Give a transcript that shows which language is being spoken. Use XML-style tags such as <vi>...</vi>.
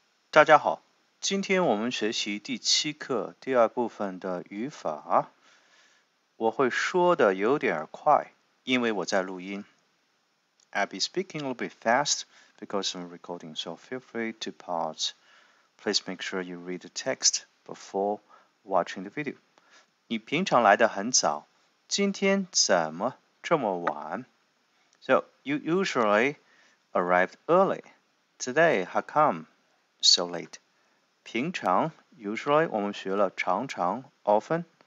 <zh>大家好，今天我们学习第七课第二部分的语法。我会说的有点快，因为我在录音。</zh> <en>I'll be speaking a little bit fast because I'm recording, so feel free to pause. Please make sure you read the text before watching the video.</en> <zh>你平常来得很早，今天怎么这么晚？</zh> <en>So, you usually arrived early. Today, how come? So late.</en> <zh>平常 usually 我们学了常常 often.</zh>